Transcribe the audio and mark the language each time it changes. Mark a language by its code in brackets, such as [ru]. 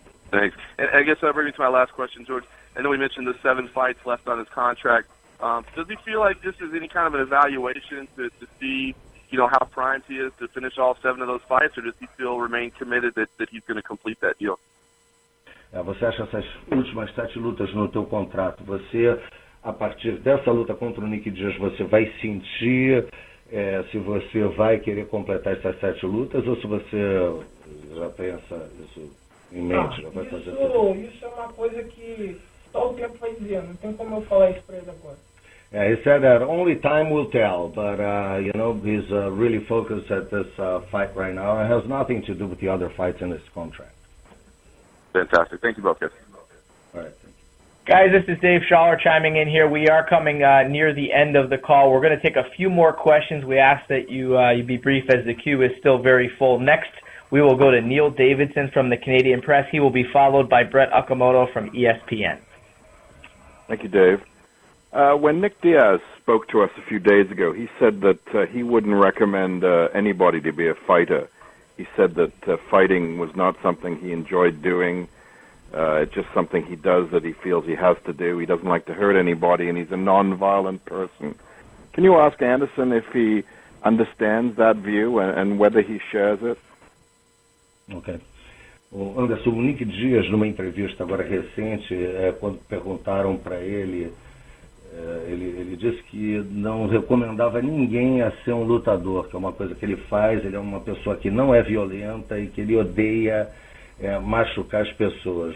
[en] Thanks. And I guess that brings me to my last question, George. I know we mentioned the 7 fights left on his contract. Does he feel like this is any kind of an evaluation to see, you know, how primed he is to finish all 7 of those fights, or does he still remain committed that he's going to complete that deal? [pt] É, você acha essas últimas 7 lutas no teu contrato, você, a partir dessa luta contra o Nick Diaz, você vai sentir se você vai querer completar essas 7 lutas, ou se você já pensa isso em mente? Ah, já vai fazer isso é uma coisa que só o tempo vai dizer, não tem como eu falar isso pra ele agora. [en] Yeah, he said that only time will tell, but, you know, he's really focused at this fight right now. It has nothing to do with the other fights in this contract. Fantastic. Thank you both, guys. All right, thank you. Guys, this is Dave Schaller chiming in here. We are coming near the end of the call. We're going to take a few more questions. We ask that you be brief as the queue is still very full. Next, we will go to Neil Davidson from the Canadian Press. He will be followed by Brett Okamoto from ESPN. Thank you, Dave. When Nick Diaz spoke to us a few days ago, he said that he wouldn't recommend anybody to be a fighter. He said that fighting was not something he enjoyed doing. It's just something he does that he feels he has to do. He doesn't like to hurt anybody, and he's a nonviolent person. Can you ask Anderson if he understands that view and whether he shares it? Okay. [pt] Anderson, Nick Diaz, numa entrevista agora recente, quando perguntaram para ele... Ele disse que não recomendava ninguém a ser um lutador, que é uma coisa que ele faz, ele é uma pessoa que não é violenta e que ele odeia machucar as pessoas.